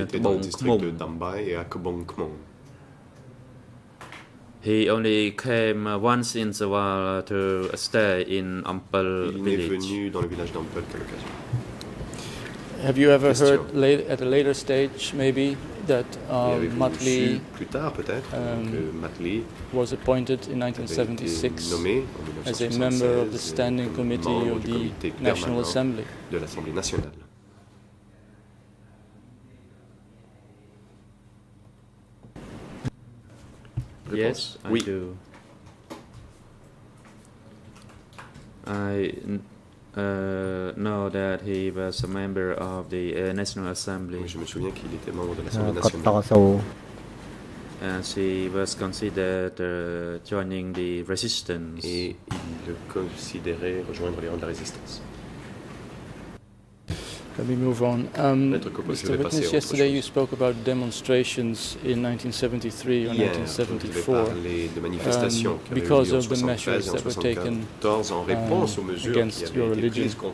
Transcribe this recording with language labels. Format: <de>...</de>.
<fr>Il était dans le district de Dambai et à Kbong Khmong.</fr> <en>He only came once in a while to stay in Ampel village.</en> <fr>Il est venu dans le village d'Ampel quelques occasions.</fr> <en>Have you ever heard late, at a later stage, maybe, that Matli,</en> <fr>plus tard, Matli</fr> <en>was appointed in 1976 as a member of the Standing Committee of the National Assembly?</en> <fr>De l'Assemblée nationale.</fr> <en>Yes, I do. I know that he was a member of the National Assembly.</en> <fr>Oui, je me souviens qu'il était membre de l'Assemblée nationale.</fr> <en>And he was considered joining the resistance.</en> <fr>Et il le considérait rejoindre les rangs de la résistance.</fr> <en>Let me move on. Mr. Witness, yesterday you spoke about demonstrations in 1973 or 1974 because of the measures that were taken against your religion.</en>